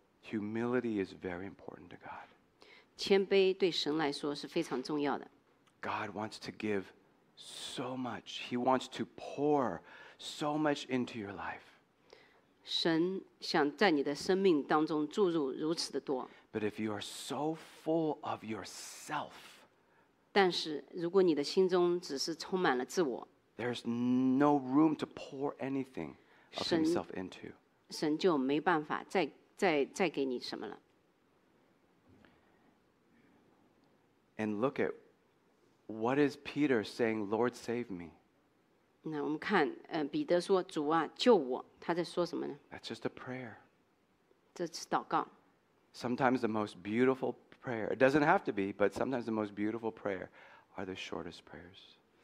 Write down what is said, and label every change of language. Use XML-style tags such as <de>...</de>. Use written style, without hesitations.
<en>Humility is very important to God.</en> <zh>谦卑对神来说是非常重要的。</zh> <en>God wants to give so much. He wants to pour so much into your life.</en> <zh>神想在你的生命当中注入如此的多。</zh> <en>But if you are so full of yourself,</en> <zh>但是如果你的心中只是充满了自我</zh> <en>there's no room to pour anything of himself into.</en> <zh>神就没办法再给你什么了。</zh> <en>And look at what is Peter saying, Lord, save me.</en> <zh>那我们看，彼得说，主啊，救我。他在说什么呢？</zh> <en>That's just a prayer.</en> <zh>这是祷告。</zh> <en>Sometimes the most beautiful prayer, it doesn't have to be, but sometimes the most beautiful prayer are the shortest prayers.</en>